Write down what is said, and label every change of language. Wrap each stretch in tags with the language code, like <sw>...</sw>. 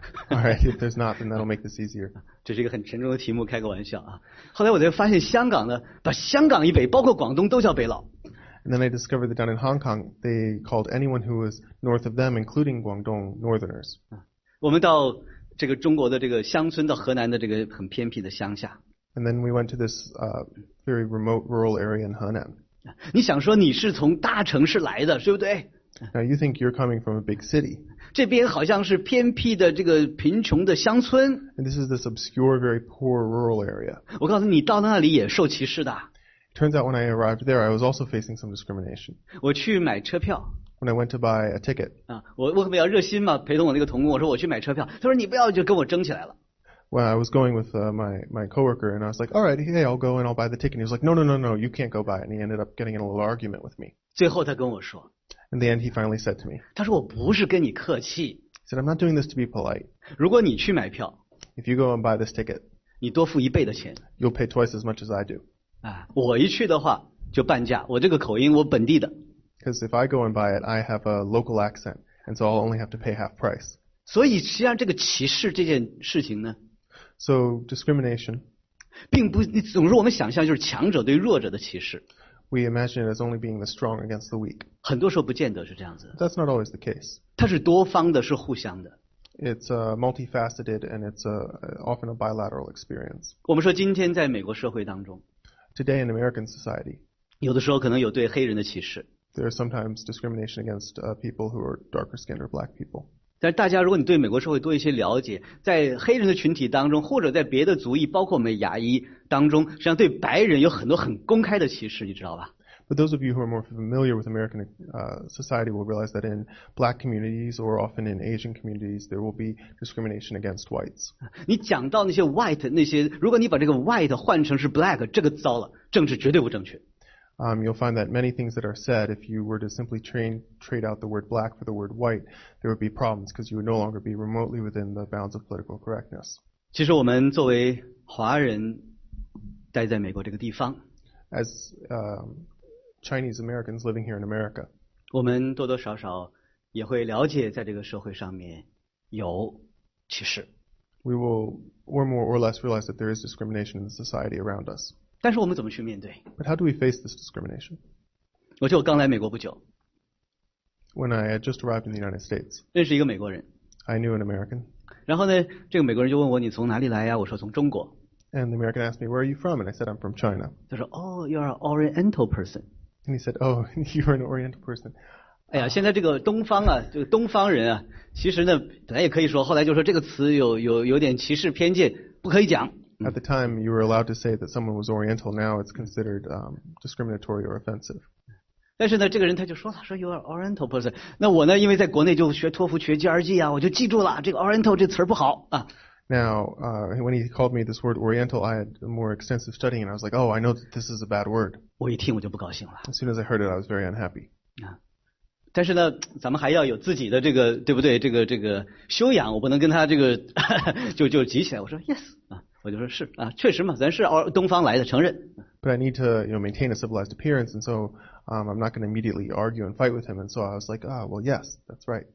<en>All right, if there's not, then that'll make this easier.</en> <zh>这是一个很沉重的题目，开个玩笑啊。后来我就发现香港呢，把香港以北，包括广东，都叫北佬。</zh> <en>And then I discovered that down in Hong Kong, they called anyone who was north of them, including Guangdong, northerners.</en> <zh>我们到这个中国的这个乡村，到河南的这个很偏僻的乡下。</zh> <en>And then we went to this very remote rural area in Henan.</en> <zh>你想说你是从大城市来的，对不对？</zh> <en>Now you think you're coming from a big city.</en> <zh>这边好像是偏僻的这个贫穷的乡村。</zh> <en>And this is this obscure, very poor rural area.</en> <zh>我告诉你，到那里也受歧视的。</zh> <en>Turns out when I arrived there, I was also facing some discrimination.</en> <zh>我去买车票。</zh> <en>When I went to buy a ticket.</en> <zh>我比较热心嘛，陪同我那个同工，我说我去买车票。他说你不要，就跟我争起来了。</zh> <en>Well, I was going with my coworker, and I was like, "All right, hey, I'll go and I'll buy the ticket." And he was like, no, you can't go buy it." And he ended up getting in a little argument with me.</en> <zh>最后他跟我说。</zh> <en>In the end, he finally said to me.</en> <zh>他说我不是跟你客气。</zh> <en>He said, "I'm not doing this to be polite."</en> <zh>如果你去买票。</zh> <en>If you go and buy this ticket.</en> <zh>你多付一倍的钱。</zh> <en>You'll pay twice as much as I do.</en> <zh>我一去的话就半价，我这个口音我本地的。</zh> <en>Because if I go and buy it, I have a local accent, and so I'll only have to pay half price.</en> <zh>所以实际上这个歧视这件事情呢</zh> <en>，So discrimination，</en> <zh>并不总是我们想象就是强者对弱者的歧视。</zh> <en>We imagine it as only being the strong against the weak.</en> <zh>很多时候不见得是这样子。</zh> <en>That's not always the case.</en> <zh>它是多方的，是互相的。</zh> <en>It's multifaceted and it's often a bilateral experience.</en> <zh>我们说今天在美国社会当中。</zh> <en>Today in American society,</en> <zh>有的时候可能有对黑人的歧视。</zh> <en>There is sometimes discrimination against people who are darker skinned or black people.</en> <zh>但是大家，如果你对美国社会多一些了解，在黑人的群体当中，或者在别的族裔，包括我们亚裔当中，实际上对白人有很多很公开的歧视，你知道吧？</zh> <en>But those of you who are more familiar with American society will realize that in black communities or often in Asian communities, there will be discrimination against whites.</en> <zh>你讲到那些 white 那些，如果你把这个 white 换成是 black， 这个糟了，政治绝对不正确。</zh> <en>You'll find that many things that are said, if you were to simply trade out the word black for the word white, there would be problems because you would no longer be remotely within the bounds of political correctness.</en> <zh>其实我们作为华人，待在美国这个地方</zh> <en>，as Chinese Americans living here in America.</en> <zh>我们多多少少也会了解在这个社会上面有歧视。</zh> <en>We will more or less realize that there is discrimination in the society around us.</en> <zh>但是我们怎么去面对？</zh> <en>But how do we face this discrimination?</en> <zh>我就刚来美国不久。</zh> <en>When I had just arrived in the United States,</en> <zh>认识一个美国人。</zh> <en>I knew an American.</en> <zh>然后呢，这个美国人就问我你从哪里来呀？我说从中国。</zh> <en>And the American asked me, "Where are you from?" And I said, "I'm from China." 他说 "Oh, you're an Oriental person." And he said, "Oh, you're an Oriental person."</en> <zh>哎呀，现在这个东方啊，这个东方人啊，其实呢，本来也可以说，后来就说这个词有点歧视偏见，不可以讲。</zh> <en>At the time, you were allowed to say that someone was Oriental. Now it's considered discriminatory or offensive.</en> <zh>但是呢，这个人他就说了，说 you're an Oriental person. 那我呢，因为在国内就学托福、学 GRE 啊，我就记住了这个 Oriental 这词儿不好啊。</zh> <en>Now, when he called me this word Oriental, I had more extensive studying, and I was like, oh, I know that this is a bad word.</en> <zh>我一听我就不高兴了。</zh> <en>As soon as I heard it, I was very unhappy.</en> <zh>啊，但是呢，咱们还要有自己的这个，对不对？这个修养，我不能跟他这个就急起来。我说 yes 啊。我就说是啊，确实嘛，咱是东方来的，承认。</zh> <en>But I need to, you know, maintain a civilized appearance, and so, I'm not going to immediately argue and fight with him. And so I was like, ah, well, yes, that's right.</en>